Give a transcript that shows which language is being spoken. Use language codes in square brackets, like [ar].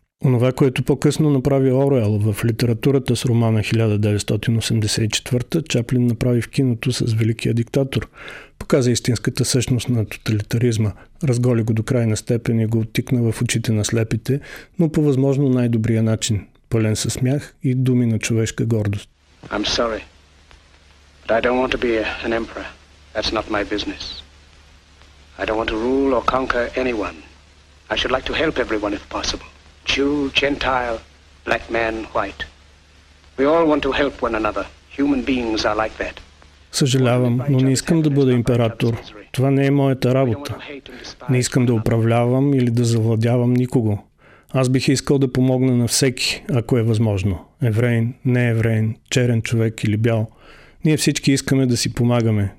[bg] Онова, което по-късно направи Оруел в литературата с романа 1984, Чаплин направи в киното с Великия диктатор. Показа истинската същност на тоталитаризма, разголи го до крайна степен и го оттикна в очите на слепите, но по възможно най-добрия начин, пълен със смях и думи на човешка гордост. [en] I'm sorry, but I don't want to be an emperor. That's not my business. I don't want to rule or conquer anyone. I should like to help everyone if possible. Jew, Gentile, black man, white. We all want to help one another. Human beings are like that. [bg] Съжалявам, но не искам да бъда император. Това не е моята работа. Не искам да управлявам или да завладявам никого. Аз бих искал да помогна на всеки, ако е възможно. Евреин, не евреин, черен човек или бял. Ние всички искаме да си помагаме.